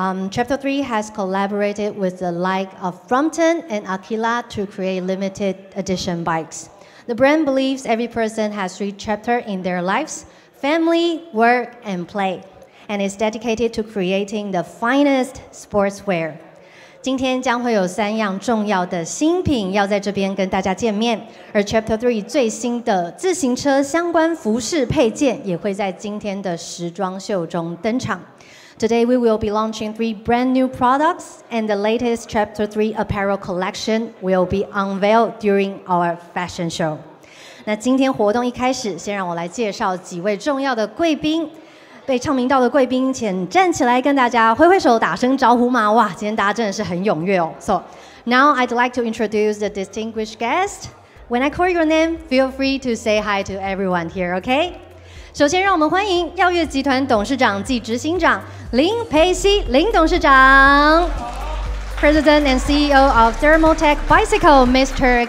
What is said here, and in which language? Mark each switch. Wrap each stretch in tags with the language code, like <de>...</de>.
<en>Chapter 3 has collaborated with the like of Brompton and Aquila to create limited edition bikes. The brand believes every person has three chapters in their lives, family, work, and play, and is dedicated to creating the finest sportswear.</en> <zh>今天将会有三样重要的新品要在这边跟大家见面，而 Chapter 3 最新的自行车相关服饰配件也会在今天的时装秀中登场。</zh> <en>Today, we will be launching three brand new products, and the latest Chapter 3 apparel collection will be unveiled during our fashion show.</en> <zh>那今天活动一开始，先让我来介绍几位重要的贵宾。被唱名到的贵宾，请站起来跟大家挥挥手打声招呼嘛。哇，今天大家真的是很踊跃哦。</zh> <en>So, now I'd like to introduce the distinguished guest. When I call your name, feel free to say hi to everyone here, okay?</en> <zh>首先，让我们欢迎曜越集团董事长暨执行长林培熙林董事长 ，</zh> <en>President and CEO of Thermaltake Bicycle, Mr.</en>